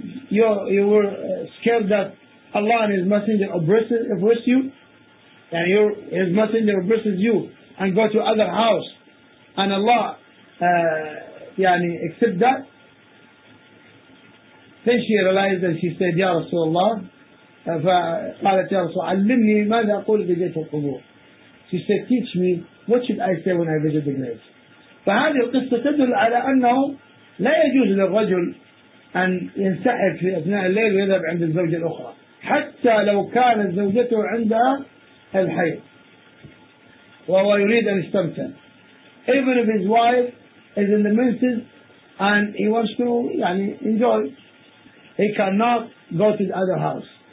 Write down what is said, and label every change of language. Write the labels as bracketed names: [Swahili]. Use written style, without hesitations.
[English] You were scared that Allah and His Messenger oppress you, and His Messenger oppresses you and go to other house, and Allah يعني accept that. Then she realized and she said, Ya Rasulullah, [Arabic] فقالت يا رسول علمني ماذا أقول في جيت القبور. [English] She said, teach me, what should I say when I visit the grave. [Arabic] فهذه القصة تدل على أنه لا يجوز للرجل أن ينسحب في أثناء الليل ويذهب عند الزوجة الأخرى حتى لو كانت زوجته عندها الحي وهو يريد أن يستمتع. [English] Even if his wife is in the menses and he wants to enjoy. He cannot go to the other house.